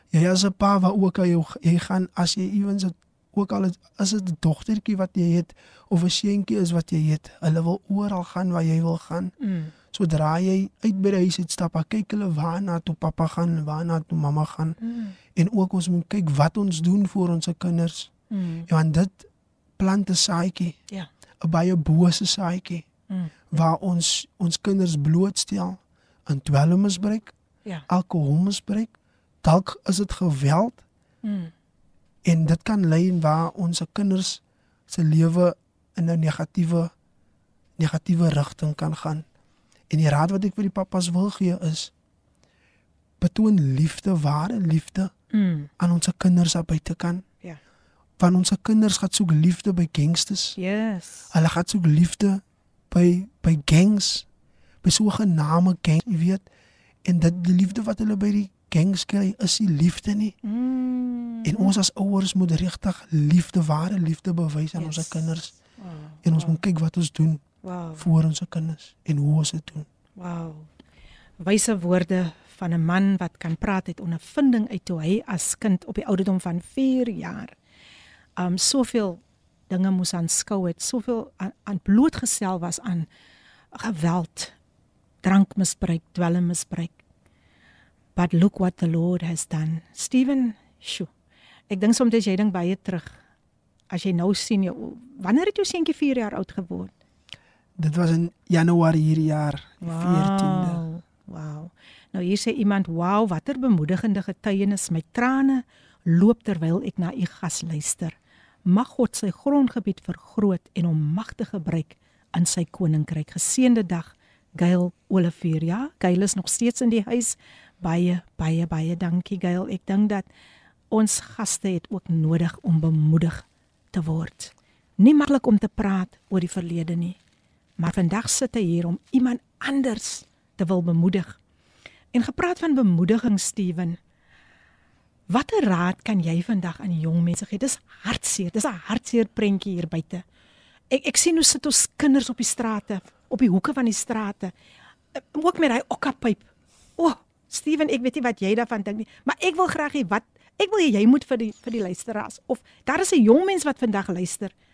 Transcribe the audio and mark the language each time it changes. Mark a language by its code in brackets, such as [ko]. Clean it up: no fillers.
[af] Jy is 'n pa wat ook al jy gaan, as jy ewens het, ook al is het 'n dogtertjie wat jy het, of 'n seentjie is wat jy het, hulle wil ooral gaan waar jy wil gaan. Sodra jy uit by die huis uit stap, kyk hulle waarna toe papa gaan, waarna toe mama gaan. En ook ons moet kyk wat ons doen vir ons kinders. Want dit plant 'n saaikie. Ja. 'N baie bose saaikie. Waar ons kinders blootstel aan dwelmmisbruik, alkoholmisbruik, dalk is het geweld. En dit kan lei waar onze kinders se lewe in 'n negatiewe rigting kan gaan. En die raad wat ek vir die papas wil gee is, betoon liefde, ware liefde, aan onze kinders aan buitekant. [en] Yeah. [af] Want onze kinders gaat soek liefde by gangsters. [en] Yes. [af] Hulle gaat soek liefde by gangs, by sogenaamde gang, jy weet, en dat die liefde wat hulle by die gangs kry, is die liefde nie. En ons as ouers moet regtig liefde, ware liefde bewys aan ons kinders. En ons moet kyk wat ons doen voor ons kinders en hoe ons dit doen. Wow. Wyse woorde van 'n man wat kan praat uit ondervinding uit toe hy as kind op die ouderdom van 4 jaar soveel dinge moes aanskou het, soveel aan blootgestel was aan geweld, drankmisbruik, dwelmmisbruik. [en] But look what the Lord has done. Stephen, shoo. [af] Ek dink soms jy dink baie terug. As jy nou sien, wanneer het jou seentjie 4 jaar oud geword? Dit was in Januarie hierdie jaar, die 14de. Wow. Nou hier sê iemand, wow, watter bemoedigende getuienis. My trane loop terwyl ek na u gas luister. Mag God sy grondgebied vergroot en hom magtig gebruik in sy koninkryk. Geseënde dag, Gail Olivier. Ja, Gail is nog steeds in die huis. Baie dankie, Gail. Ek dink dat ons gaste het ook nodig om bemoedig te word. Nie maklik om te praat oor die verlede nie. Maar vandag sit hy hier om iemand anders te wil bemoedig. En gepraat van bemoediging, Steven. Watter raad kan jy vandag aan jong mense gee? Dis hartseer, dis 'n hartseer prentjie hier buite. Ek sien hoe sit ons kinders op die strate, op die hoeke van die strate. Ook met daai okkapyp. O, Steven, ek weet nie wat jy daarvan dink nie, maar ek wil graag hê jy moet vir die luisteraars of daar is 'n jong mens wat vandag luister.